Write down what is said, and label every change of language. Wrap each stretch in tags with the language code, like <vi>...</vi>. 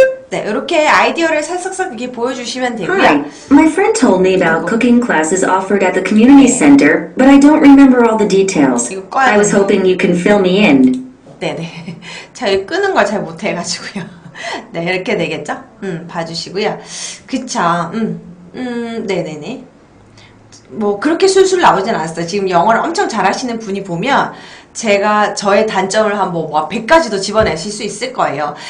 <ko>네, 이렇게 아이디어를 살짝살짝 이렇게 보여주시면 되고요.</ko> <en>Hi, my friend told me about cooking classes offered at the community center, but I don't remember all the details. I was hoping you can fill me in.</en> <ko>네네. 잘 끄는 걸 잘 못해가지고요. 네, 이렇게 되겠죠? 봐주시고요. 그쵸. 네네네. 뭐 그렇게 술술 나오진 않았어요. 지금 영어를 엄청 잘하시는 분이 보면 제가 저의 단점을 한 뭐 100가지도 집어내실 수 있을 거예요.</ko>